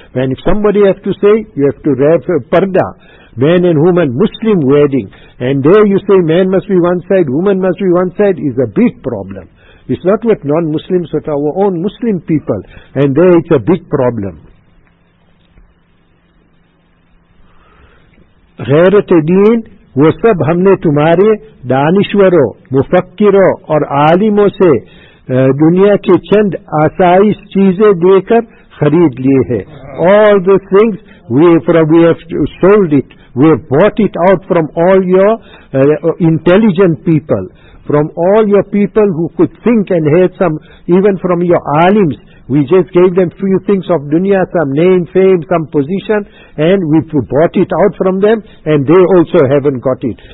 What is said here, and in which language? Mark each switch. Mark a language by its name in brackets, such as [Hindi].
[English] And if somebody has to say, you have to wear parda, man and woman, Muslim wedding, and there you say man must be one side, woman must be one side, is a big problem. It's not with non-Muslims, but our own Muslim people, and there it's a big problem. [Urdu] غیرت دین وہ سب ہم نے تمہارے دانشوروں مفکروں اور عالموں سے دنیا کے چند آسائش چیزیں دے کر خرید لیے ہیں. [English] All the things we have sold it, we have bought it out from all your intelligent people, from all your people who could think and had some, even from your alims. We just gave them few things of dunya, some name, fame, some position, and we bought it out from them, and they also haven't got it.